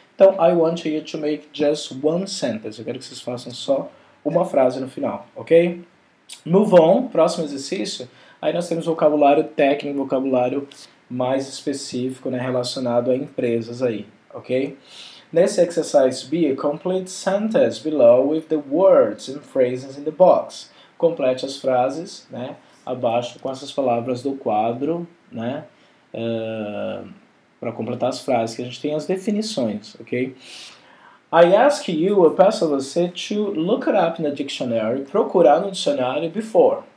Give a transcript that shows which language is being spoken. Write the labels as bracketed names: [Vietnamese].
[Portuguese] Então, [English] I want you to make just one sentence. [Portuguese] Eu quero que vocês façam só uma frase no final, ok? [English] Move on, [Portuguese] próximo exercício. Aí nós temos vocabulário técnico, vocabulário mais específico, né, relacionado a empresas aí, ok? [English] Nesse exercise B, complete sentences below with the words and phrases in the box. [Portuguese] Complete as frases, né, abaixo com essas palavras do quadro, né, para completar as frases, que a gente tem as definições, ok? [English] I ask you, [Portuguese] eu peço a você, [English] to look it up in the dictionary, [Portuguese] procurar no dicionário [English] before.